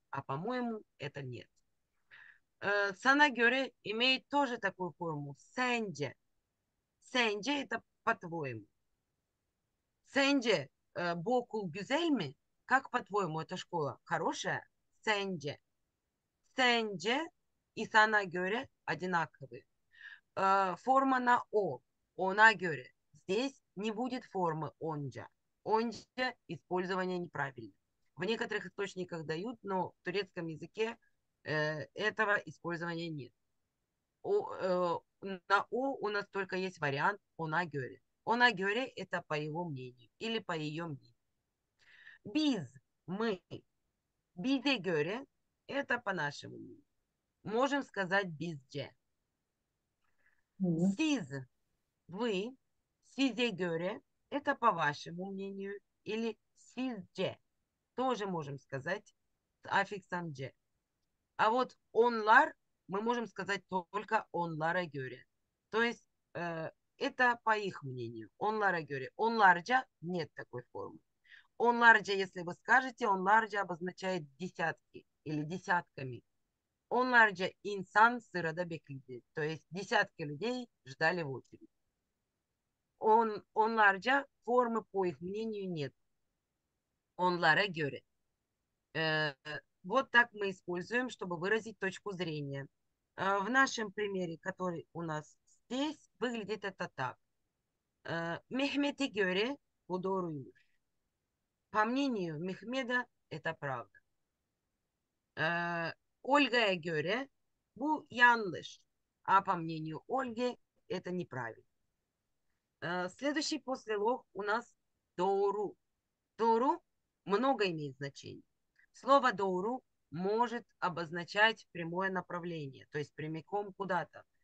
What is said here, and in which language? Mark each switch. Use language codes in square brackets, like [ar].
[ru] А по-моему это нет. [tr] Sana göre [ru] имеет тоже такую форму. [tr] Sence. Sence [ru] это по-твоему. [tr] Sence bu okul güzel mi? [ru] Как по-твоему эта школа хорошая? [tr] Sence. Sence [ru] и [tr] sana göre [ru] одинаковые. Форма на о. [tr] Ona göre. [ru] Здесь не будет формы онча. Онча использование неправильно. В некоторых источниках дают, но в турецком языке этого использования нет. На о у нас только есть вариант [tr] ona göre. Ona göre [ru] это по его мнению или по ее мнению. [tr] Biz [ru] мы. [tr] Bize göre [ru] это по нашему мнению. Можем сказать [tr] bizce. Siz [ru] вы. [tr] Size göre [ru] это по вашему мнению. Или [tr] sizce. [ru] Тоже можем сказать с аффиксом c. А вот [tr] onlar [ru] мы можем сказать только [tr] onlara göre. [ru] То есть это по их мнению. [tr] Onlara göre. [ru] Onlarca нет такой формы. Onlarca, если вы скажете, onlarca обозначает десятки или десятками. [tr] Onlarca insan sırada bekledi. [ru] То есть десятки людей ждали в очереди. Onlarca формы, по их мнению, нет. [tr] Onlara göre. [ru] Вот так мы используем, чтобы выразить точку зрения. В нашем примере, который у нас здесь, выглядит это так. [tr] Mehmet'e göre bu doğruymuş. [ru] По мнению Мехмеда, это правда. [tr] Ольга'я göre bu yanlış. [ru] А по мнению Ольги, это неправильно. Следующий после лох у нас доуру. Доуру много имеет значение. Слово доуру может обозначать прямое направление, то есть прямиком куда-то.